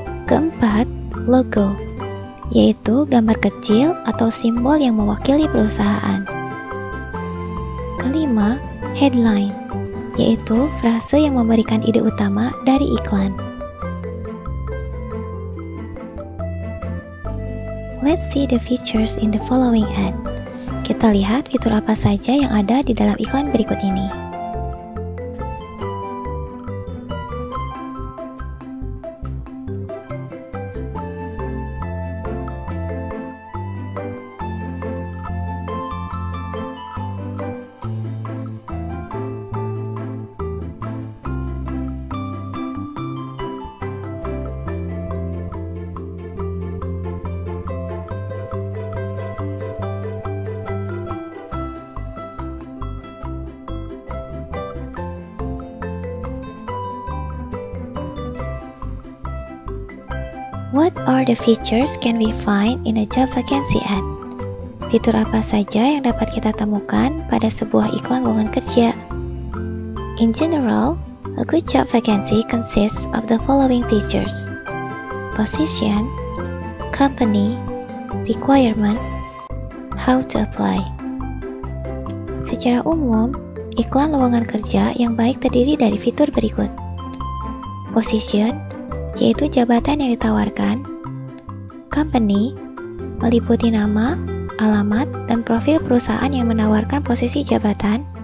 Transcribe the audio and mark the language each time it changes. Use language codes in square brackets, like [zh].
[id] Keempat, logo, yaitu gambar kecil atau simbol yang mewakili perusahaan. Kelima, headline, yaitu frase yang memberikan ide utama dari iklan. [en] Let's see the features in the following ad. [id] Kita lihat fitur apa saja yang ada di dalam iklan berikut ini. [en] What are the features can we find in a job vacancy ad? [id] Fitur apa saja yang dapat kita temukan pada sebuah iklan lowongan kerja? [en] In general, a good job vacancy consists of the following features: position, company, requirement, how to apply. [id] Secara umum, iklan lowongan kerja yang baik terdiri dari fitur berikut: position, yaitu jabatan yang ditawarkan. Company, meliputi nama, alamat, dan profil perusahaan yang menawarkan posisi jabatan.